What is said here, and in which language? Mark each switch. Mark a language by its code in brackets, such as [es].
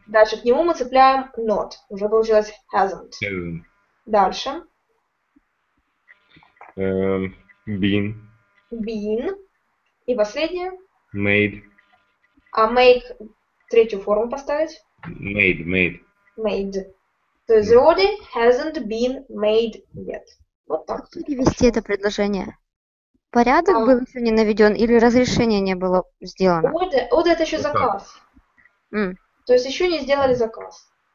[ru] Дальше к нему мы цепляем not. Уже получилось hasn't. Дальше. [en] Been. [ru] Been. И последнее. [en] Made. [ru] А make третью форму поставить? [en] Made. Made. [ru] То есть [en] the order hasn't been made yet. [ru] Вот так. Как перевести это предложение? Порядок был еще не наведен или разрешение не было сделано? Order это еще вот заказ. То есть еще не сделали заказ.